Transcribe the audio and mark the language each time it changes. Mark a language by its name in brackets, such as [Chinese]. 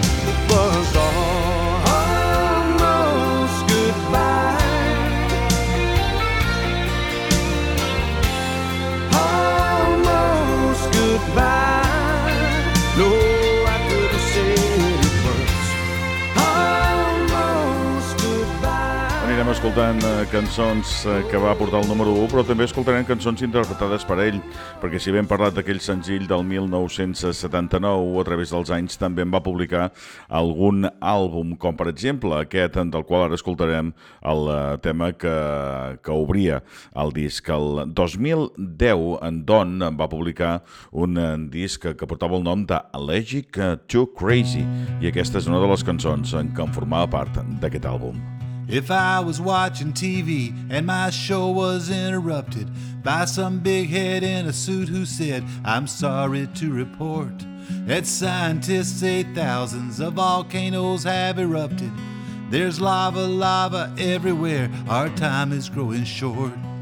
[English] It was almost goodbye. Almost goodbye. No, I couldn't say it first. Almost goodbye. [Catalan] Anirem escoltant cançons que va portar el número 1, però també escoltarem cançons interpretades per ell, perquè si hem parlat d'aquell senzill del 1979, a través dels anys també en va publicar algun àlbum, com per exemple aquest del qual ara escoltarem el tema que obria el disc. El 2010 en Don va publicar un disc que portava el nom de Allergic to Crazy, i aquesta és una de les cançons en què en formava part d'aquest àlbum. [English] If I was watching TV and my show was interrupted by some big head in a suit who said, I'm sorry to report that scientists say thousands of volcanoes have erupted. There's lava everywhere. Our time is growing short.